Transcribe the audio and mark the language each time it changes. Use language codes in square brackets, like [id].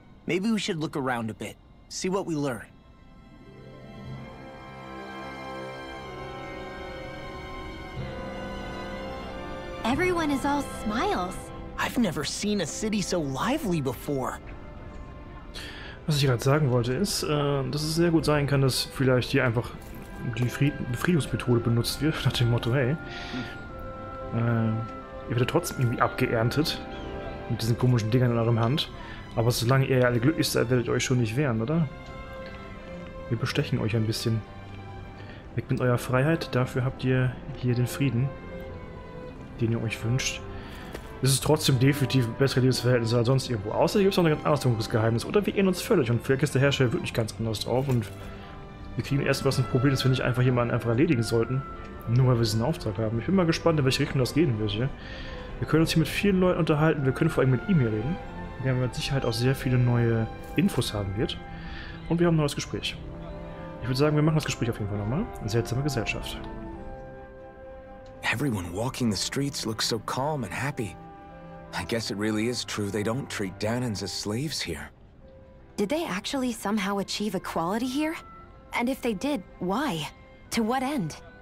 [en] Maybe we should look around a bit, see what we learn. Everyone is all smiles. I've never seen a city so lively before. [de] Was ich gerade sagen wollte ist, dass es sehr gut sein kann, dass vielleicht hier einfach die Befriedungsmethode benutzt wird, nach dem Motto, hey, ihr werdet trotzdem irgendwie abgeerntet mit diesen komischen Dingern in eurem Hand. Aber solange ihr ja alle glücklich seid, werdet ihr euch schon nicht wehren, oder? Wir bestechen euch ein bisschen. Weg mit eurer Freiheit, dafür habt ihr hier den Frieden, den ihr euch wünscht. Es ist trotzdem definitiv ein besseres Lebensverhältnis als sonst irgendwo. Außer hier gibt es noch ein ganz anderes dunkles Geheimnis. Oder wir ehren uns völlig und vielleicht ist der Herrscher wirklich ganz anders drauf und wir kriegen erst was ein Problem, das wir nicht einfach jemanden einfach erledigen sollten. Nur weil wir diesen Auftrag haben. Ich bin mal gespannt, in welche Richtung das gehen wird hier. Wir können uns hier mit vielen Leuten unterhalten, wir können vor allem mit ihm hier reden. Wir haben mit Sicherheit auch sehr viele neue Infos haben wird. Und wir haben ein neues Gespräch. Ich würde sagen, wir machen das Gespräch auf jeden Fall nochmal. Seltsame Gesellschaft. [en] Everyone walking the streets looks so calm and happy. I guess it really is true, they don't treat Danans as slaves here. Did they actually somehow achieve equality here? And if they did, why? To what end?